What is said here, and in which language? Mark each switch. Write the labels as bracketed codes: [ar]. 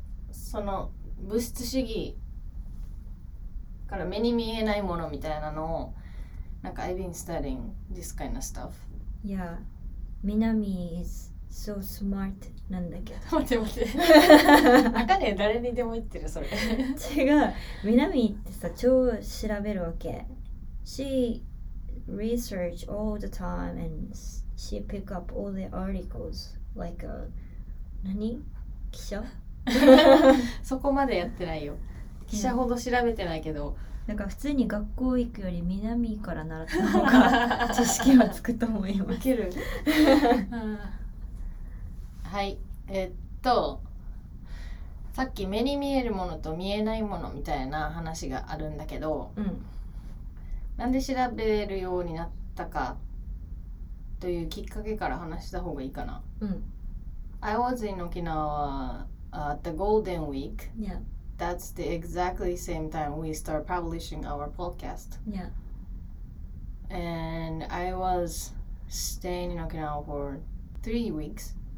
[ja] その物質主義から目に見えないものみたいなのを、なんか [en] I've been studying this kind of stuff。 Minami is so smart [ja] なんだけど。待って赤ね、誰にでも言ってるそれ違う、Minami ってさ超調べるわけ。 [en] She research all the time and she pick up all the articles like a [ja] 何？記者？そこまでやってないよ、記者ほど調べてないけど、うん、なんか普通に学校行くより南から習った方が知識はつくと思います。いけるはい、さっき目に見えるものと見えないものみたいな話があるんだけど、うん、なんで調べるようになったかというきっかけから話した方がいいかな、うん、 [en] I was in Okinawa at the Golden Week、 yeah. That's the exactly same time we start publishing our podcast. Yeah. And I was staying in Okinawa for 3 weeks.